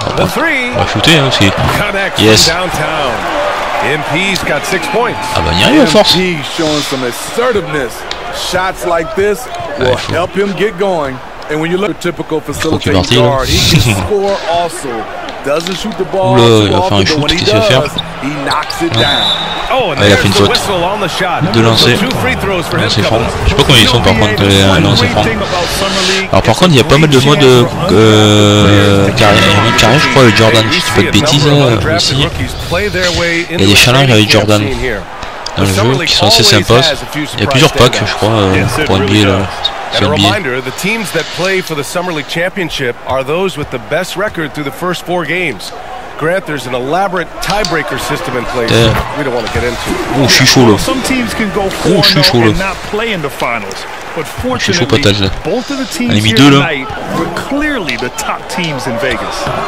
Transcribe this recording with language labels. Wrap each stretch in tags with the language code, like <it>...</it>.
<fr>on va shooter hein, aussi. Yes.</fr> <en>MP's got 6 points.</en> <fr>Ah bah, il y arrive à force.</fr> <en>MP showing some assertiveness. Shots like this will help him get going. And when you look at typical facilitating guard, he can score also. Doesn't shoot the ball.</en> <fr>Oula, il a fait un shoot, qu'est-ce qu'il va faire?</fr> <en>He knocks it down.</en> <fr>Oh, ah, il a fait une faute de lancer. Lancer franc. Je sais pas comment ils sont par contre, les lancers francs. Alors par contre, il y a pas mal de mois de carrière, je crois, avec Jordan. Si tu fais de bêtises ici. Il y a des challenges avec Jordan dans le jeu qui sont assez sympas. Il y a plusieurs packs, je crois, pour NBA là.</fr> <en>And a reminder, the teams that play for the Summer League Championship are those with the best record through the first 4 games. Grant, there's an elaborate tiebreaker system in place that we don't want to get into.</en> <fr>Oh, je suis chaud là.</fr> <en>Some teams can go 4-0 and not play in the finals. But fortunately, both of the teams here tonight were clearly the top teams in Vegas.</en>